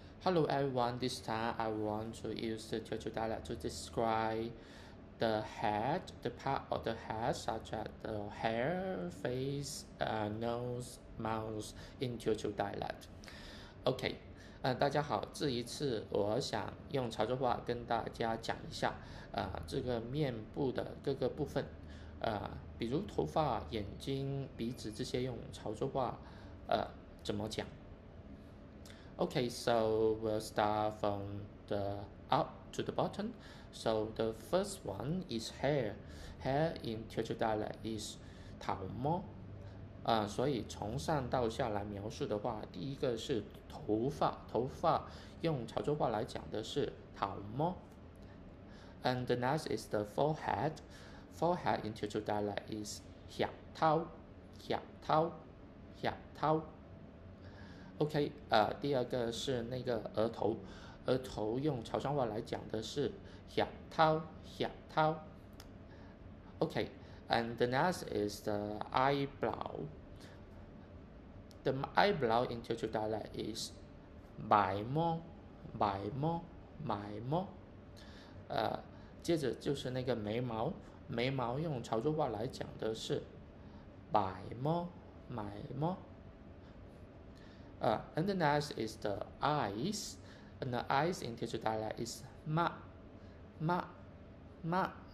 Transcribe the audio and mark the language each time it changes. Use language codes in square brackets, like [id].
[en] Hello everyone, this time I want to use the Teochew dialect to describe the head, the part of the head such as the hair, face, nose, mouth in Teochew dialect. [zh] Okay, 大家好，这一次我想用潮州话跟大家讲一下，这个面部的各个部分，比如头发、眼睛、鼻子这些用潮州话，怎么讲？ [en] Okay, so we'll start from the up to the bottom. So the first one is hair. Hair in Teochew dialect is 头毛。 [zh] 所以从上到下来描述的话，第一个是头发，头发用潮州话来讲的是头毛。 [en] And the next is the forehead. Forehead in Teochew dialect is 额头，额头，额头。 [zh] OK，第二个是那个额头，额头用潮汕话来讲的是额头，额头。 [en] OK，and the next is the eyebrow. The eyebrow in Teochew dialect is 眉毛，眉毛，眉毛。 [zh] 接着就是那个眉毛，眉毛用潮州话来讲的是眉毛，眉毛。 [en] And the next is the eyes, and the eyes in Teochew dialect is ma, ma, ma.